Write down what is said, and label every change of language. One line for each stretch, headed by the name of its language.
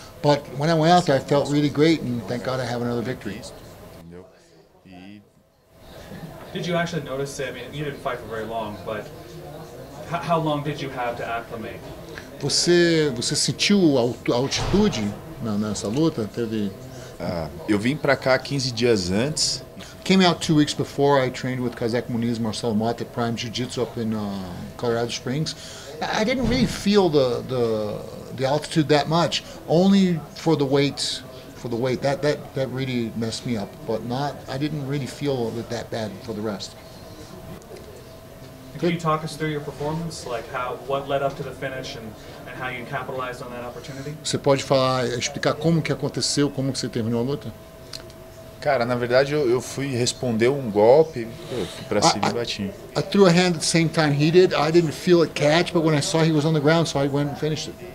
English: But when I went out there, I felt really great, and thank God I have another victory. Did you actually notice it? I mean, you didn't fight for very long, but how long did you have to acclimate?
Portuguese: Você sentiu a altitude nessa luta? Teve Eu vim para cá 15 dias antes.
English: Came out 2 weeks before. I trained with Kazek Muniz, Marcelo Mota, Prime Jiu-Jitsu up in Colorado Springs. I didn't really feel the altitude that much. Only for the weight, that really messed me up. But not, I didn't really feel it that bad for the rest. Can you talk us through your performance, like what led up to the finish and how you capitalized on that opportunity?
Portuguese: Você pode falar, explicar como que aconteceu, como que você terminou a luta? Cara, na verdade eu fui responder golpe, fui pra cima e bati.
English: I threw a hand at the same time he did. I didn't feel it catch, but when I saw he was on the ground, so I went and finished it.